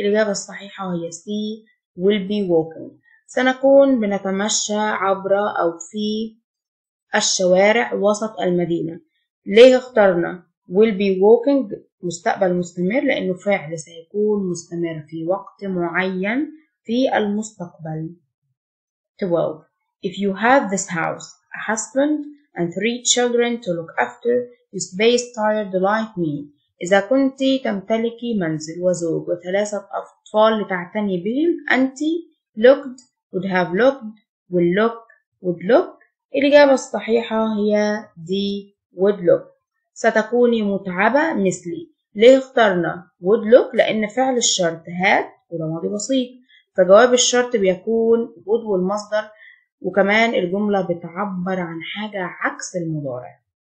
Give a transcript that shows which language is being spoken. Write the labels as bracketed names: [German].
[Arabic] الإجابة الصحيحة هي C [English] will be walking. [Arabic] سنكون بنتمشى عبر أو في الشوارع وسط المدينة. ليه اخترنا [English] will be walking [Arabic] مستقبل مستمر؟ لأنه فعل سيكون مستمر في وقت معين في المستقبل. 12. [English] If you have this house, a husband and three children to look after, you space tired like me. [Arabic] إذا كنت تمتلكي منزل وزوج وثلاثة أطفال لتعتني بهم، أنت [English] looked would have looked will look would look. [Arabic] الإجابة الصحيحة هي D [English] would look. [Arabic] ستكوني متعبة مثلي. ليه اخترنا [English] would look؟ [Arabic] لأن فعل الشرط had وده ماضي بسيط، فجواب الشرط بيكون would والمصدر، وكمان الجملة بتعبر عن حاجة عكس المضارع.